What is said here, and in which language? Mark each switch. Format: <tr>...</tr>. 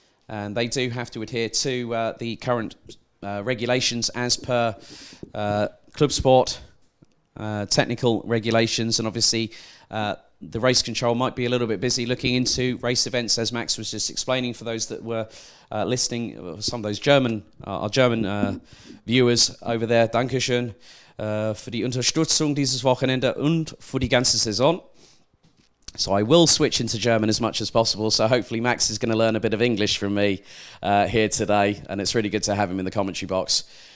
<en>And they do have to adhere to the current regulations as per Clubsport technical regulations. And obviously, the race control might be a little bit busy looking into race events, as Max was just explaining, for those that were listening, some of those German, our German viewers over there.</en> <de>Dankeschön für die Unterstützung dieses Wochenende und für die ganze Saison.</de> <en>So I will switch into German as much as possible. So hopefully Max is going to learn a bit of English from me here today. And it's really good to have him in the commentary box.</en>